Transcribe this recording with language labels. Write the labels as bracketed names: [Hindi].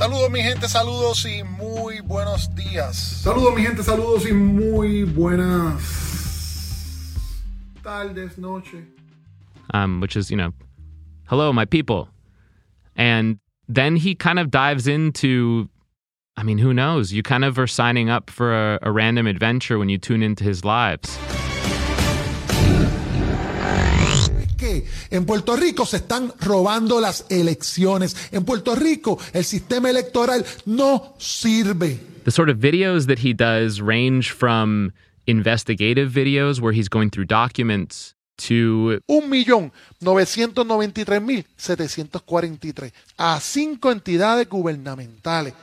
[Spanish] Saludos, mi gente, saludos y muy buenos días. Saludos, mi gente, saludos y muy buenas tardes, noche. [English] Which is, you know, hello, my people. And then he kind of dives into, I mean, who knows? You kind of are signing up for a random adventure when you tune into his lives. [Spanish] En Puerto Rico se están robando las elecciones. En Puerto Rico, el sistema electoral no sirve. [English] The sort of videos that he does range from investigative videos where he's going through documents to [Spanish] 1,993,743 a 5 entidades gubernamentales.